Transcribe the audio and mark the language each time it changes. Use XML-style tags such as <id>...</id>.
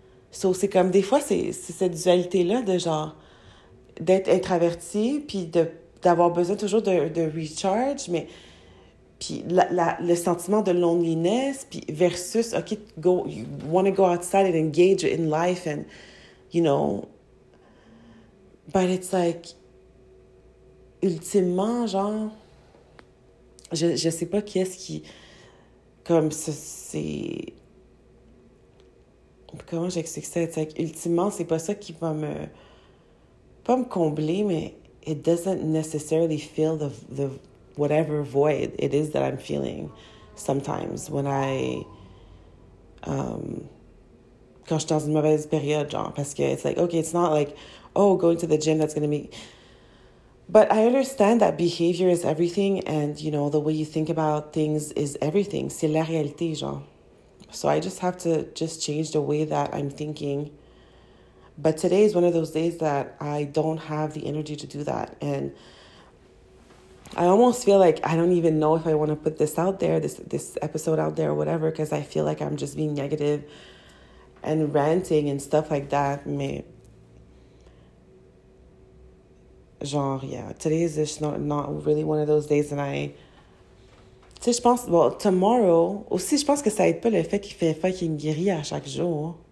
<fr>So, c'est comme des fois, c'est cette dualité-là de genre d'être introverti puis d'avoir besoin toujours de recharge, mais puis le sentiment de loneliness puis versus</fr> <en>okay, go, you want to go outside and engage in life and, you know, but it's like</en> <fr>ultimement, genre, je sais pas qu'est-ce qui... Comme, c'est... Comment j'explique ça? Like, ultimement, c'est pas ça qui va me... Pas me combler, mais...</fr> <en>It doesn't necessarily fill the whatever void it is that I'm feeling sometimes when I...</en> <fr>quand je suis dans une mauvaise période, genre. Parce que</fr> <en>it's like, okay, it's not like, oh, going to the gym, that's gonna be... But I understand that behavior is everything and, you know, the way you think about things is everything.</en> <fr>C'est la réalité, genre.</fr> <en>So I just have to just change the way that I'm thinking. But today is one of those days that I don't have the energy to do that. And I almost feel like I don't even know if I want to put this out there, this episode out there or whatever, because I feel like I'm just being negative and ranting and stuff like that.</en> <fr>Mais...</fr> <en>Genre, yeah, today is just not really one of those days that I...</en> <fr>Tu sais, je pense,</fr> <en>well, tomorrow,</en> <fr>aussi, je pense que ça aide pas le fait qu'il fait fucking gris à chaque jour.</fr>